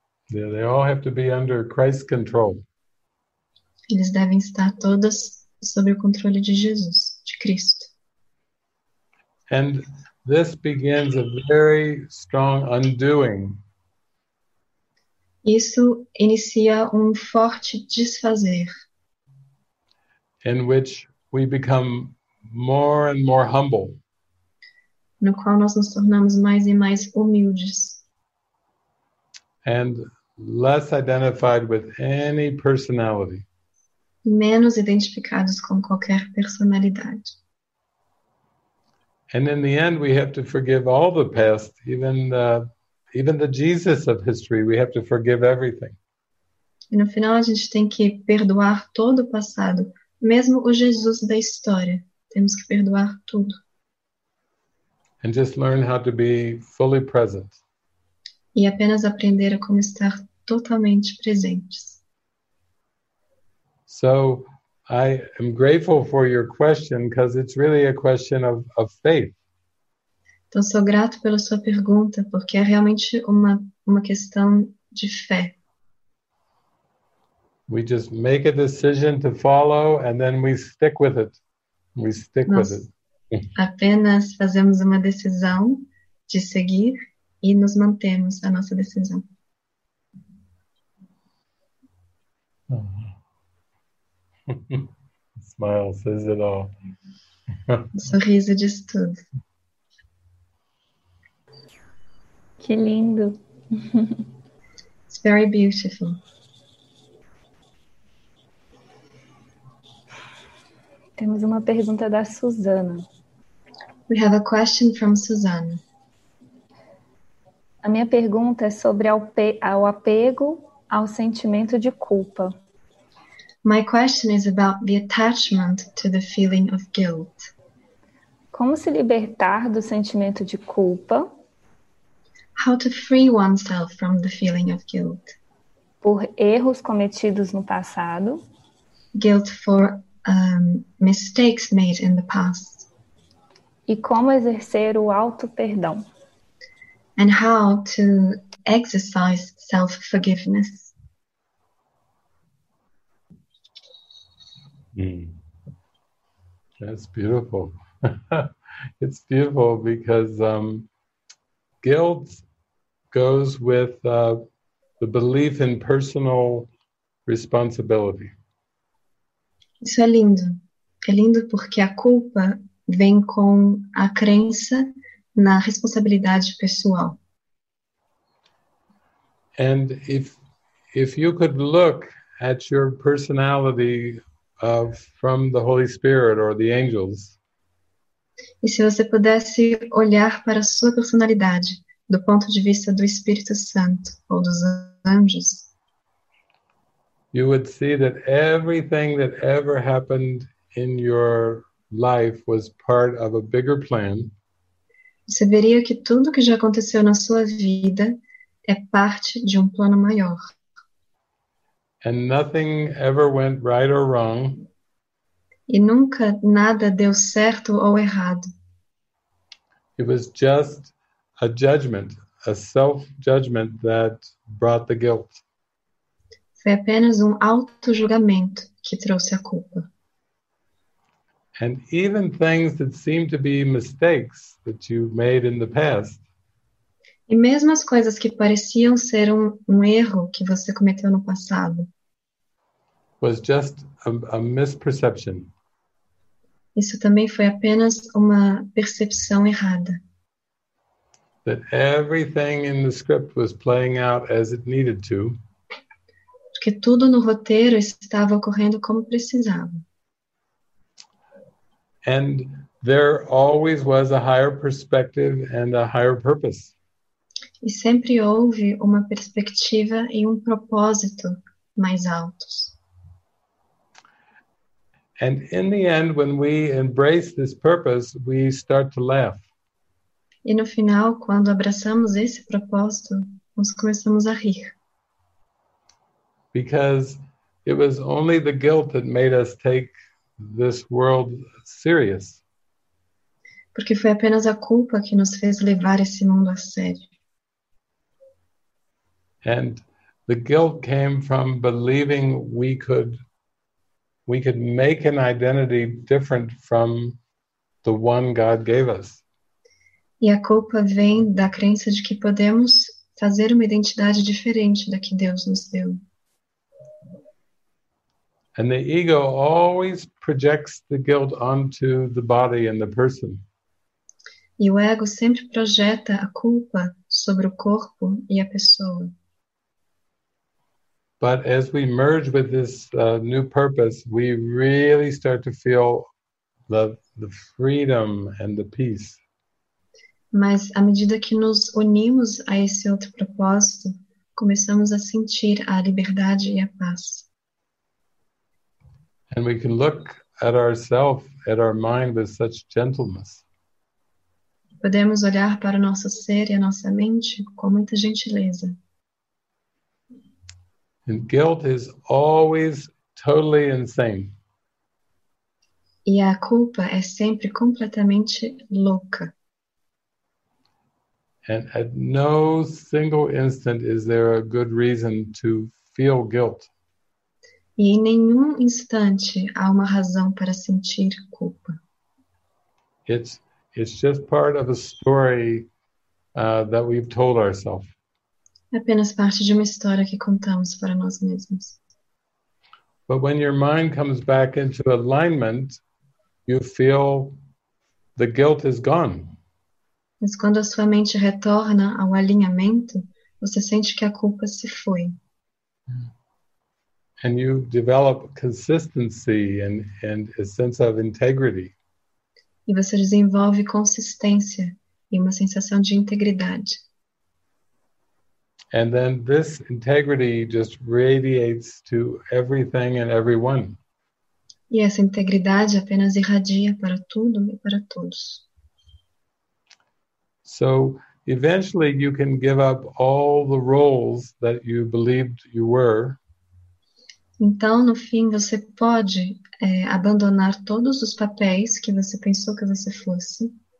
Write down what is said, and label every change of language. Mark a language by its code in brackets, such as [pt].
[en] Yeah, they all have to be under Christ's control. [pt] Eles devem estar todos sob o controle de Jesus, de Cristo. [en] And this begins a very strong undoing. [pt] Isso inicia forte desfazer. [en] In which we become more and more humble. [pt] No qual nós nos tornamos mais e mais humildes. [en] And less identified with any personality. [pt] Menos identificados com qualquer personalidade. [en] And in the end, we have to forgive all the past, even the Jesus of history. We have to forgive everything. [pt] E no final, a gente tem que perdoar todo o passado. Mesmo o Jesus da história, temos que perdoar tudo. [en] And just learn how to be fully present. [pt] E apenas aprender a como estar totalmente presentes. [en] So, I am grateful for your question because it's really a question of faith. [pt] Então sou grato pela sua pergunta porque é realmente uma questão de fé. [en] We just make a decision to follow and then we stick with it. We stick [pt] Nós [en] with it. [pt] Apenas fazemos uma decisão de seguir e nos mantemos na nossa decisão. [en] Smile says it all. [pt] Sorriso diz tudo. Que lindo. [en] It's very beautiful. [pt] Temos uma pergunta da Suzana. [en] We have a question from Suzana. [pt] A minha pergunta é sobre ao apego ao sentimento de culpa. [en] My question is about the attachment to the feeling of guilt. [pt] Como se libertar do sentimento de culpa? [en] How to free oneself from the feeling of guilt? [pt] Por erros cometidos no passado. [en] Guilt for mistakes made in the past. [pt] E como exercer o auto-perdão? [en] And how to exercise self-forgiveness. That's beautiful. It's beautiful because guilt goes with the belief in personal responsibility. [pt] Isso é lindo. É lindo porque a culpa vem com a crença na responsabilidade pessoal. [en] And if you could look at your personality from the Holy Spirit or the angels. [pt] E se você pudesse olhar para a sua personalidade do ponto de vista do Espírito Santo ou dos anjos. [en] You would see that everything that ever happened in your life was part of a bigger plan. [pt] Você veria que tudo que já aconteceu na sua vida é parte de plano maior. [en] And nothing ever went right or wrong. [pt] E nunca nada deu certo ou errado. [en] It was just a judgment, a self-judgment that brought the guilt. [pt] Foi apenas auto-julgamento que trouxe a culpa. [en] And even things that seem to be mistakes that you made in the past. [pt] E mesmo as coisas que pareciam ser erro que você cometeu no passado. [en] Was just a misperception. [pt] Isso também foi apenas uma percepção errada. [en] That everything in the script was playing out as it needed to. [pt] Porque tudo no roteiro estava ocorrendo como precisava. [en] And there always was a higher perspective and a higher purpose. [pt] E sempre houve uma perspectiva e propósito mais altos. [en] And in the end, when we embrace this purpose, we start to laugh. [pt] E no final, quando abraçamos esse propósito, nós começamos a rir. [en] Because it was only the guilt that made us take this world serious. [pt] Porque foi apenas a culpa que nos fez levar esse mundo a sério. [en] And the guilt came from believing we could make an identity different from the one God gave us. [pt] E a culpa vem da crença de que podemos fazer uma identidade diferente da que Deus nos deu. [en] And the ego always projects the guilt onto the body and the person. [pt] E o ego sempre projeta a culpa sobre o corpo e a pessoa. [en] But as we merge with this new purpose, we really start to feel the freedom and the peace. [pt] Mas à medida que nos unimos a esse outro propósito, começamos a sentir a liberdade e a paz. [en] And we can look at ourselves, at our mind with such gentleness. [pt] Podemos olhar para o nosso ser e a nossa mente com muita gentileza. [en] And guilt is always totally insane. [pt] E a culpa é sempre completamente louca. [en] And at no single instant is there a good reason to feel guilt. [pt] E em nenhum instante há uma razão para sentir culpa. [en] It's just part of a story that we've told ourselves. [pt] É apenas parte de uma história que contamos para nós mesmos. [en] But when your mind comes back into alignment, you feel the guilt is gone. [pt] Mas quando a sua mente retorna ao alinhamento, você sente que a culpa se foi. [en] And you develop consistency and a sense of integrity. [pt] E você desenvolve consistência e uma sensação de integridade. [en] And then this integrity just radiates to everything and everyone. [pt] E essa integridade apenas irradia para tudo e para todos. [en] So eventually you can give up all the roles that you believed you were. [pt] Então, no fim, você pode abandonar todos os papéis que você pensou que você fosse.